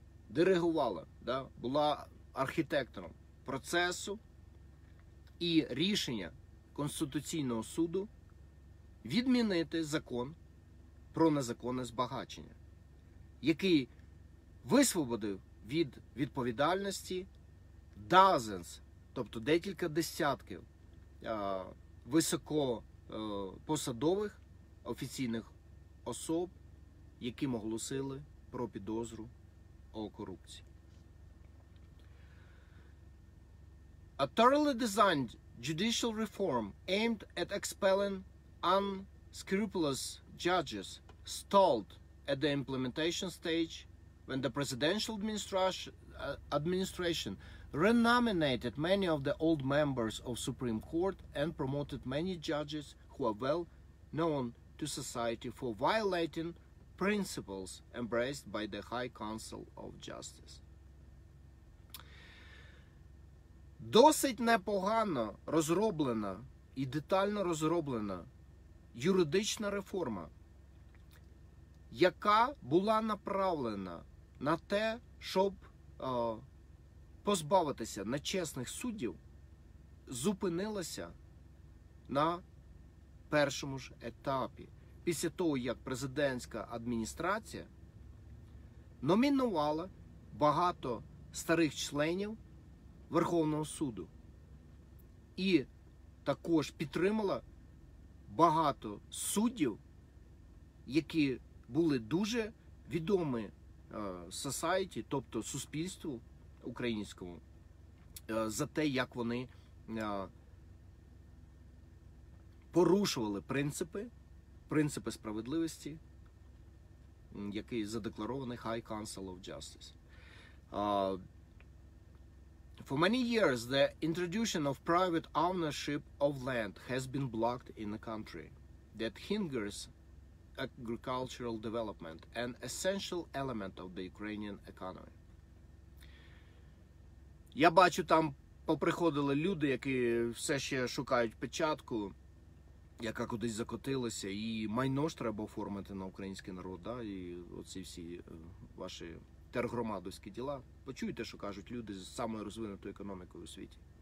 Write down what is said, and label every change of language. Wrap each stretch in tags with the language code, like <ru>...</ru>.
<uk>диригувала, була архітектором процесу і рішення Конституційного суду відмінити закон про незаконне збагачення, який висвободив від відповідальності</uk> <en>dozens,</en> <uk>тобто декілька десятків високопосадових офіційних осіб, які оголосили про підозру о корупції.</uk> <en>A thoroughly designed judicial reform aimed at expelling unscrupulous judges stalled at the implementation stage when the presidential administration renominated many of the old members of Supreme Court and promoted many judges who are well known to society for violating principles embraced by the High Council of Justice.</en> <uk>Досить непогано розроблена і детально розроблена юридична реформа, яка була направлена на те, щоб позбавитися нечесних суддів, зупинилася на першому ж етапі. Після того, як президентська адміністрація номінувала багато старих членів Верховного суду і також підтримала багато суддів, які були дуже відомі</uk> <en>society,</en> <uk>тобто суспільству українському, за те, як вони порушували принципи справедливості, який задекларований</uk> <en>High Council of Justice. For many years, the introduction of private ownership of land has been blocked in the country. That hinders agricultural development, an essential element of the Ukrainian economy.</en> <uk>Я бачу, там поприходили люди, які все ще шукають печатку, яка кудись закотилася, і майно ж треба оформити на український народ, да? І оці всі ваші тергромадовські діла. Почуйте, що кажуть люди з самою розвинутою економікою у світі.</uk>